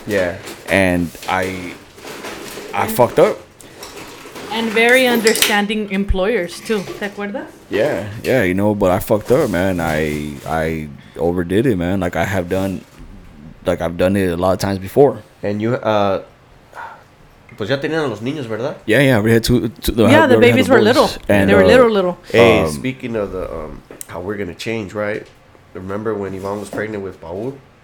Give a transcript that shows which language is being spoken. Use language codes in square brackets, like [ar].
[en] Yeah. And I fucked up. And very understanding employers too. [es] ¿Te acuerdas? [en] Yeah, yeah. You know, but I fucked up, man. I overdid it, man. I've done it a lot of times before. And you [es] Pues ya tenían a los niños, ¿verdad? [en] Yeah, yeah, we had two. Yeah, the babies were little. And they were little. Hey, speaking of the how we're going to change, right? Remember when Yvonne was pregnant with Paul?